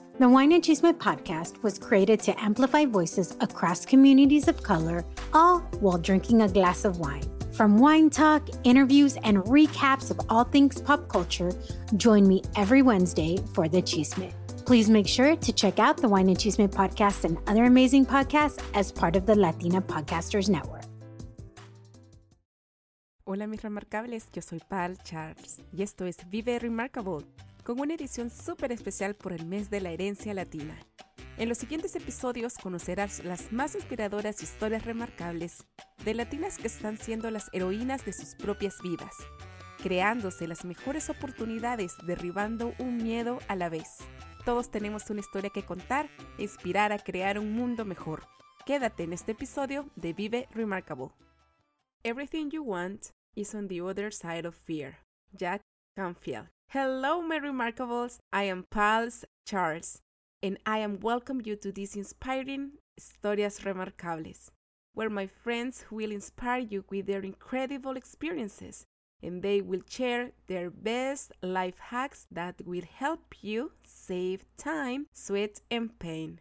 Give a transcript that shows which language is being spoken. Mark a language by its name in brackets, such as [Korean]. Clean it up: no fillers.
[English] The Wine and Chisme podcast was created to amplify voices across communities of color, all while drinking a glass of wine. From wine talk, interviews, and recaps of all things pop culture, join me every Wednesday for the chisme. Please make sure to check out the Wine and Chisme podcast and other amazing podcasts as part of the Latina Podcasters Network. [Spanish] Hola mis remarcables, yo soy Pal Charles y esto es Vive Remarkable, con una edición súper especial por el mes de la herencia latina. En los siguientes episodios conocerás las más inspiradoras historias remarcables de latinas que están siendo las heroínas de sus propias vidas, creándose las mejores oportunidades derribando un miedo a la vez. Todos tenemos una historia que contar e inspirar a crear un mundo mejor. Quédate en este episodio de Vive Remarkable. [English] Everything you want is on the other side of fear. Jack Canfield. Hello, my remarkables. I am Pals Charles, and I am welcome you to this inspiring Historias Remarcables, where my friends will inspire you with their incredible experiences, and they will share their best life hacks that will help you save time, sweat, and pain.